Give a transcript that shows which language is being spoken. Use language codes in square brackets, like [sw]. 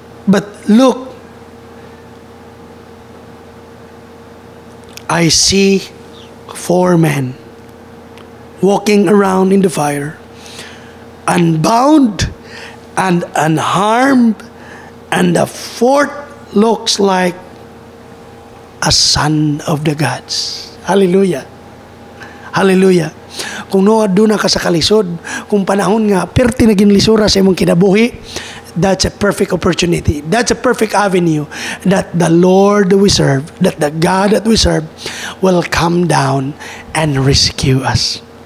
[en] But look, I see four men walking around in the fire, unbound and unharmed, and the fourth looks like a son of the gods. Hallelujah. Hallelujah. [ceb] Kung noa duna ka sa kalisod, kung panahon nga perti naging lisura sa imong kinabuhi, [en] that's a perfect opportunity. That's a perfect avenue that the Lord we serve, that the God that we serve, will come down and rescue us.